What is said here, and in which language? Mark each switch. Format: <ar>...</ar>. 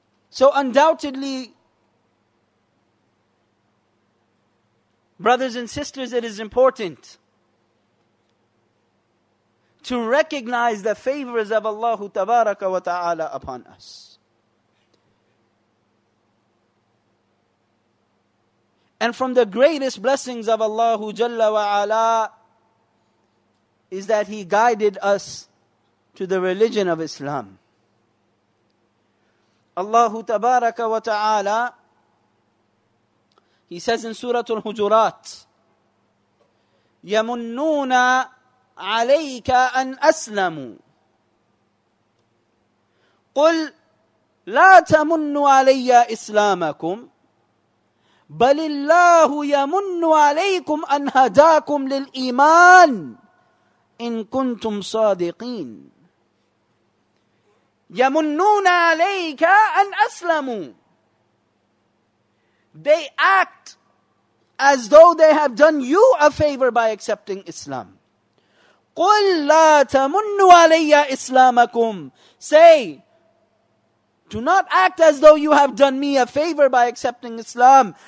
<en>So undoubtedly, brothers and sisters, it is important to recognize the favors of Allah Tabaraka wa Ta'ala upon us. And from the greatest blessings of Allah Jalla wa Ala is that He guided us to the religion of Islam. Allah Tabaraka wa Ta'ala, He says in Surah Al-Hujurat,</en> <ar>يَمُنُّونَ عليك أن أسلموا قل لا تمنوا علي إسلامكم بل الله يمن عليكم أن هداكم للإيمان إن كنتم صادقين يمنون عليك أن أسلموا.</ar> <en>They act as though they have done you a favor by accepting Islam.</en> <ar>قُلْ لَا تَمُنُّ عَلَيَّ إِسْلَامَكُمْ.</ar> <en>Say, do not act as though you have done me a favor by accepting Islam.</en>